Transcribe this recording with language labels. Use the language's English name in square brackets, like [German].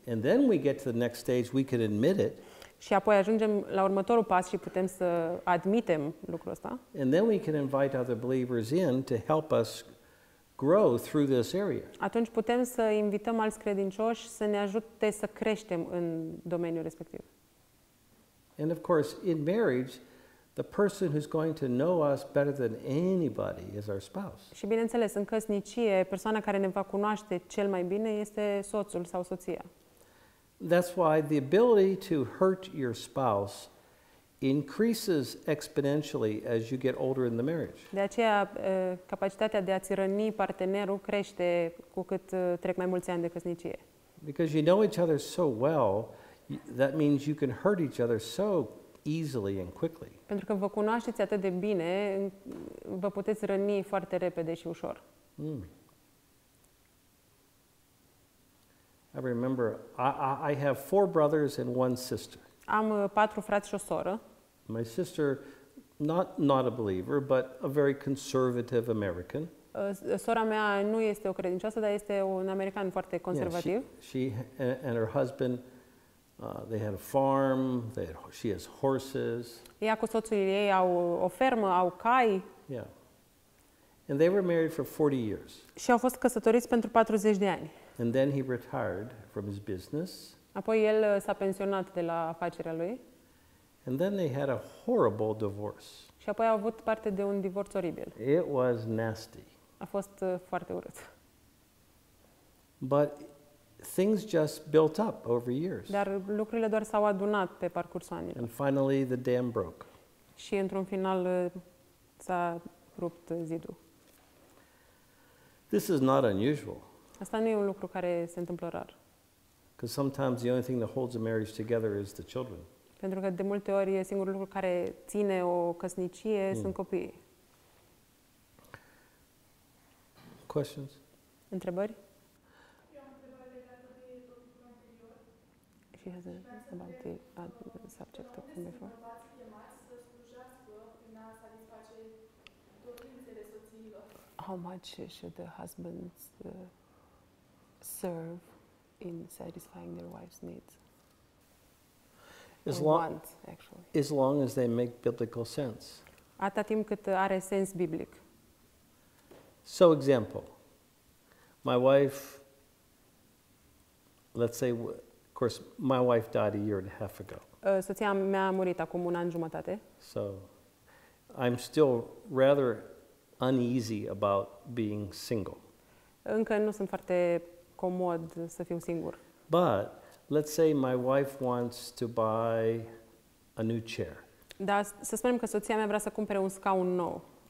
[English] And then we get to the next stage, we can admit it. [Romanian] Și apoi ajungem la următorul pas și putem să admitem lucrul ăsta. [English] And then we can invite other believers in to help us grow through this area. [Romanian] Atunci putem să invităm alți credincioși să ne ajute să creștem în domeniul respectiv. [English] And of course, in marriage, the person who's going to know us better than anybody is our spouse. [Romanian] Și bineînțeles, în căsnicie, persoana care ne va cunoaște cel mai bine este soțul sau soția. [English] That's why the ability to hurt your spouse increases exponentially as you get older in the marriage. [Romanian] De aceea, capacitatea de a-ți răni partenerul crește cu cât trec mai mulți ani de căsnicie. [English] Because you know each other so well, that means you can hurt each other so easily and quickly. [Romanian] Pentru că vă cunoașteți atât de bine, vă puteți răni foarte repede și ușor. [English] I remember I have four brothers and one sister. [Romanian] Am patru frați și o soră. [English] My sister, not a believer, but a very conservative American. [Romanian] Sora mea nu este o credincioasă, dar este un american foarte conservativ. [English] Yeah, she and her husband, they had a farm. She has horses. [Romanian] Ea cu soțul ei au o fermă, au cai. [English] Yeah. And they were married for 40 years. [Romanian] Și au fost căsătoriți pentru 40 de ani. [English] And then he retired from his business. [Romanian] Apoi el s-a pensionat de la afacerea lui. [English] And then they had a horrible divorce. [Romanian] Și apoi au avut parte de un divorț oribil. [English] It was nasty. [Romanian] A fost foarte urât. [English] But things just built up over years. [Romanian] Dar lucrurile doar s-au adunat pe parcursul anilor. [English] And finally the dam broke. [Romanian] Și într-un final s-a rupt zidul. [English] This is not unusual. [Romanian] Asta nu e un lucru care se întâmplă rar. [English] Because sometimes the only thing that holds a marriage together is the children. [Romanian] Pentru că de multe ori e singurul lucru care ține o căsnicie sunt copiii. [English] Questions? [Romanian] Întrebări? Eu am întrebat legată de topicul anterior. [English] She has a about the subject of before. [Romanian] Vă ați chemat să slujească prin a satisface dorințele soțiilor. [English] How much should the husbands serve in satisfying their wives' needs? As long as they make biblical sense. [Romanian] Atât timp cât are sens biblic. [English] So example. My wife, let's say, of course, my wife died a year and a half ago. [Romanian] Soția mea a murit acum un an jumătate. [English] So I'm still rather uneasy about being single. [Romanian] Încă nu sunt foarte comod să fiu singur. [English] But let's say my wife wants to buy a new chair. [Romanian] Da, să spunem că soția mea vrea să cumpere un scaun nou.